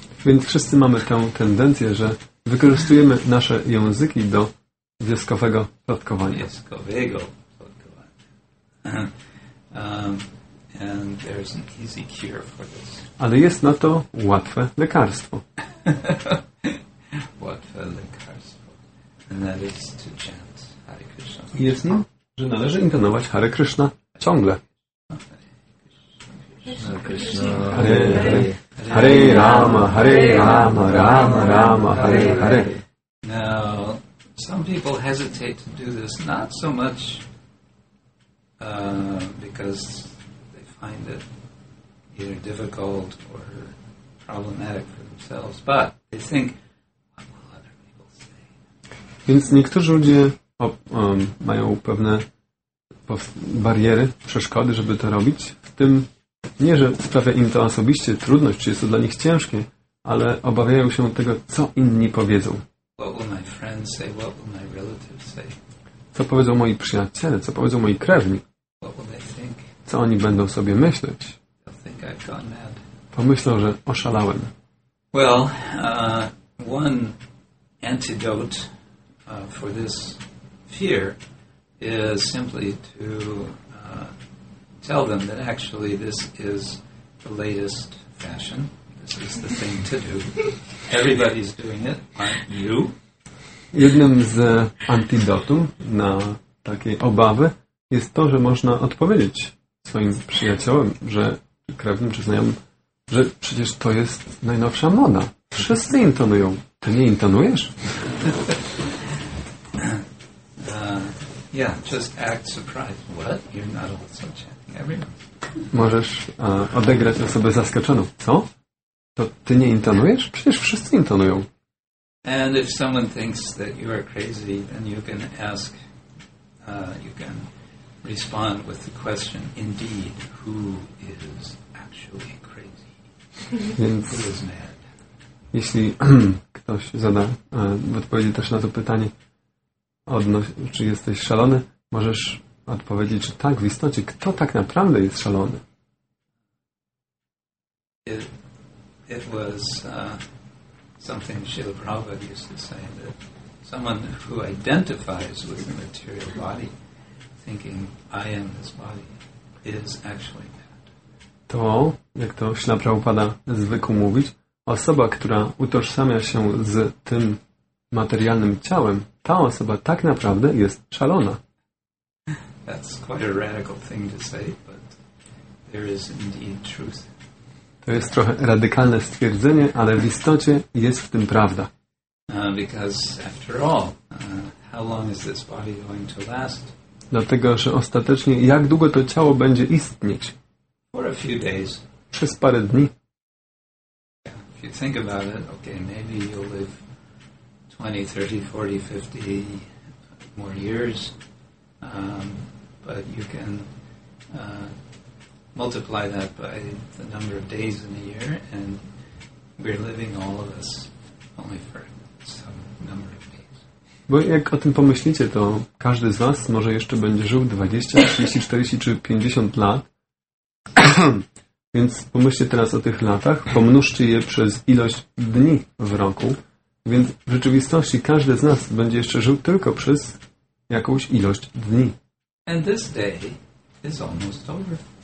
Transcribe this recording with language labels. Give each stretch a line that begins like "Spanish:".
Polish: Więc wszyscy mamy tę tendencję, że wykorzystujemy nasze języki do wioskowego plotkowania. Wioskowego plotkowania.
English: And there's an easy cure for this.
Polish: Ale jest na to łatwe lekarstwo. Łatwe lekarstwo.
English: And that is to chant Hare Krishna.
Polish: Jest nim, że należy intonować Hare Krishna ciągle.
Sanskrit: Hare Krishna. Hare Rama. Hare Rama. Rama Rama. Hare Hare.
English: Now, some people hesitate to do this, not so much because they find it either difficult or problematic for themselves, but they think, what will other people say?
Polish: Więc niektórzy ludzie mają pewne bariery, przeszkody, żeby to robić. W tym nie, że sprawia im to osobiście trudność, czy jest to dla nich ciężkie, ale obawiają się tego, co inni powiedzą.
English: What will my friends say? What will my relatives say?
Polish: Co powiedzą moi przyjaciele? Co powiedzą moi krewni?
English: What will they think?
Polish: Co oni będą sobie myśleć?
English: They'll think I've gone mad.
Polish: Pomyślą, że oszalałem.
English: Well, one antidote for this fear is simply to tell them that actually this is the latest fashion. This is the thing to do. Everybody's doing it, aren't you?
Polish: Jednym z antidotum na takie obawy jest to, że można odpowiedzieć swoim przyjaciołom, że krewnym czy znajomym, że przecież to jest najnowsza moda. Wszyscy intonują. Ty nie intonujesz?
English: Yeah, just act surprised. What? You're not also chanting everyone.
Polish: Możesz odegrać osobę zaskoczoną. Co? To ty nie intonujesz? Przecież wszyscy intonują.
English: And if someone thinks that you are crazy, then you can ask, you can respond with the question, indeed, who is actually crazy?
Polish: Więc,
English: who is mad?
Polish: Jeśli ktoś zada w odpowiedzi też na to pytanie, czy jesteś szalony, możesz odpowiedzieć, że tak, w istocie, kto tak naprawdę jest szalony?
English: It was something Srila Prabhupada used to say, that someone who identifies with the material body, thinking I am this body, is actually mad.
Polish: To, jak to Srila Prabhupada zwykł mówić, osoba, która utożsamia się z tym materialnym ciałem, ta osoba tak naprawdę jest szalona.
English: That's quite a radical thing to say, but there is indeed truth.
Polish: To jest trochę radykalne stwierdzenie, ale w istocie jest w tym prawda.
English: Because after all, how long is this body going to last?
Polish: Dlatego, że ostatecznie jak długo to ciało będzie istnieć?
English: For a few days.
Polish: Przez parę dni.
English: Yeah, if you think about it, okay, maybe you'll live 20, 30, 40, 50 more years. But you can multiply that by the number of days in a year, and we're living, all of us, only for some number of days.
Polish: Bo jak o tym pomyślicie, to każdy z was może jeszcze będzie żył 20, 30, 40 czy 50 lat. Więc pomyślcie teraz o tych latach, pomnóżcie je przez ilość dni w roku. Więc w rzeczywistości każdy z nas będzie jeszcze żył tylko przez jakąś ilość dni.
English: And this day is almost over.